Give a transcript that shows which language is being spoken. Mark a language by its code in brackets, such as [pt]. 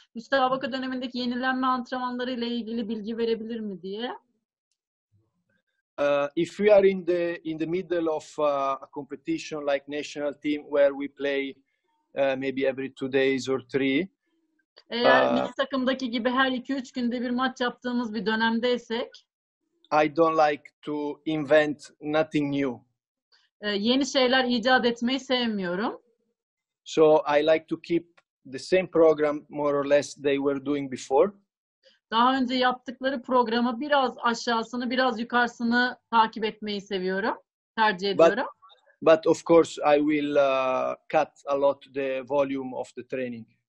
[tr] Müsabaka dönemindeki yenilenme antrenmanları ile ilgili bilgi verebilir mi diye. [en] If we are in the middle of a competition like national team where we play maybe every 2 days or 3. [tr] Eğer bir takımdaki gibi her 2-3 günde bir maç yaptığımız bir dönemdeysek. [en] I don't like to invent nothing new. [tr] Yeni şeyler icat etmeyi sevmiyorum. [en] So I like to keep the same program more or less they were doing before. [tr] Daha önce yaptıkları programı biraz aşağısını, biraz yukarısını takip etmeyi seviyorum, tercih ediyorum. [en] But of course I will cut a lot the volume of the training.